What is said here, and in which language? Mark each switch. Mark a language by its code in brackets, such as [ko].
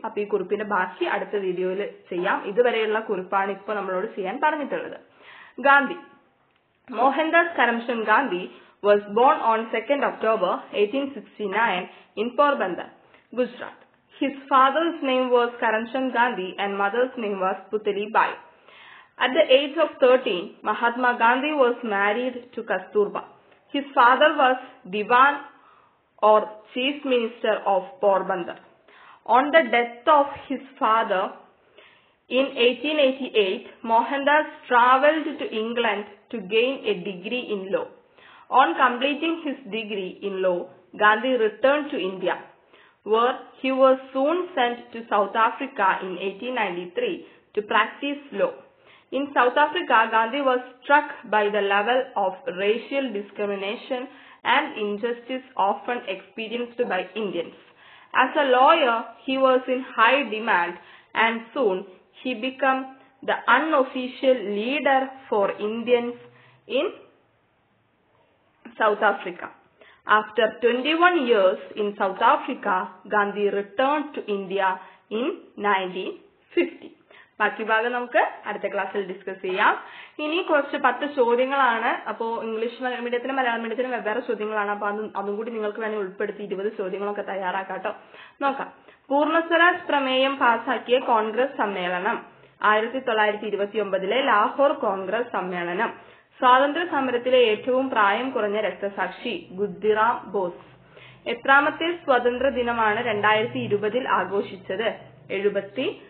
[ml] അപ്പൊ ഈ കുറിപ്പിന്റെ ബാക്കി അടുത്ത വീഡിയോയിൽ ചെയ്യാം. ഇതുവരെയുള്ള കുറിപ്പാണ് ഇപ്പൊ നമ്മളോട് ചെയ്യാൻ പറഞ്ഞിട്ടുള്ളത്. [en] Gandhi, Mohandas Karamchand Gandhi was born on 2 October 1869 in Porbandar, Gujarat. His father's name was Karamchand Gandhi and mother's name was Putlibai. At the age of 13, Mahatma Gandhi was married to Kasturba. His father was Diwan or Chief Minister of Porbandar. On the death of his father in 1888, Mohandas travelled to England to gain a degree in law. On completing his degree in law, Gandhi returned to India, where he was soon sent to South Africa in 1893 to practice law. In South Africa, Gandhi was struck by the level of racial discrimination and injustice often experienced by Indians. As a lawyer, he was in high demand and soon he became the unofficial leader for Indians in South Africa. After 21 years in South Africa, Gandhi returned to India in 1950. [ml] ബാക്കി ഭാഗം നമുക്ക് അടുത്ത ക്ലാസ്സിൽ discuss ചെയ്യാം. ഇനി കുറച്ച് 10 ചോദ്യങ്ങളാണ്. അപ്പോൾ ഇംഗ്ലീഷ് മീഡിയത്തിനും മലയാളം മീഡിയത്തിനും വെവ്വേറെ ചോദ്യങ്ങളാണ്. അപ്പൊ അതും കൂടി നിങ്ങൾക്ക് വേണമെങ്കിൽ ഉൾപ്പെടുത്തി 20 ചോദ്യങ്ങളൊക്കെ തയ്യാറാക്കാട്ടോ. നോക്കാം. പൂർണ്ണസ്വരാജ് പ്രമേയം പാസാക്കിയ കോൺഗ്രസ് സമ്മേളനം, 1929 ലാഹോർ കോൺഗ്രസ് സമ്മേളനം, സ്വാതന്ത്ര്യ സമരത്തിലെ ഏറ്റവും പ്രായം കുറഞ്ഞ രക്തസാക്ഷി ഗുദ്ദിറാം ബോസ്, എത്രാമത്തെ സ്വതന്ത്ര ദിനമാണ് 2020 ആഘോഷിച്ചത്? 74.